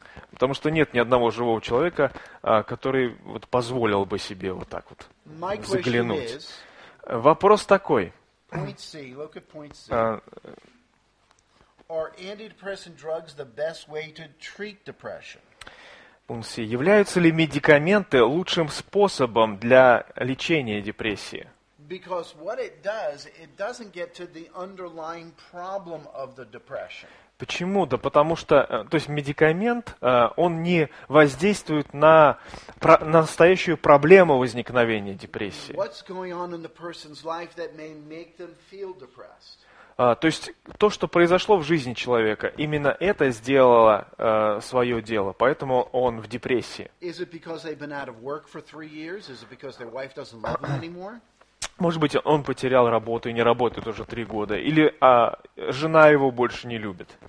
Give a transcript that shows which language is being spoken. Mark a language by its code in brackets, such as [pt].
[ru] Потому что нет ни одного живого человека, который вот позволил бы себе вот так вот заглянуть. Вопрос такой. [en] Point C, look at point C. Are antidepressant drugs the best way to treat depression? [ru] Пункт C. Являются ли медикаменты лучшим способом для лечения депрессии? [en] Because what it does, it doesn't get to the underlying problem of the depression. [ru] Почему? Да потому что, то есть медикамент, он не воздействует на настоящую проблему возникновения депрессии. [en] What's going on in the person's life that may make them feel depressed? [ru] То есть то, что произошло в жизни человека, именно это сделало свое дело, поэтому он в депрессии. [en] Is it because they've been out of work for 3 years? Is it because their wife doesn't love them anymore? [ru] Может быть, он потерял работу и не работает уже 3 года. Или жена его больше не любит.